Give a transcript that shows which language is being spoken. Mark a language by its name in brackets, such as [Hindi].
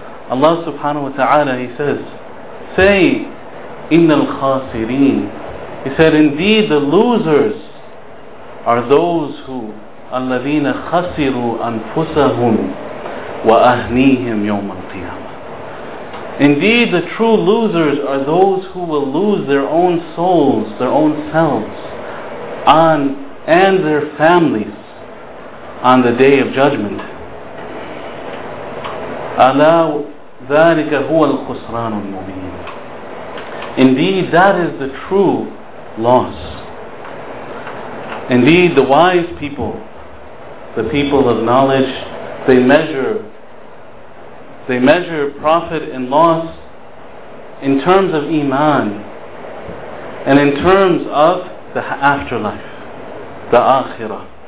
[English] Allah subhanahu wa ta'ala, He says, say, [Arabic] إِنَّ الْخَاسِرِينَ, [English] He said, indeed the losers are those who, [Arabic] الَّذِينَ خَسِرُوا أَنفُسَهُمْ وَأَهْنِيهِمْ يَوْمَ الْقِيَامَةِ. [English] Indeed the true losers are those who will lose their own souls, their own selves, and their families on the Day of Judgment. [Arabic] Allah, ذَلِكَ هُوَ الْخُسْرَانُ الْمُبِينَ. [English] Indeed, that is the true loss. Indeed, the wise people, the people of knowledge, they measure profit and loss in terms of iman and in terms of the afterlife, the akhirah.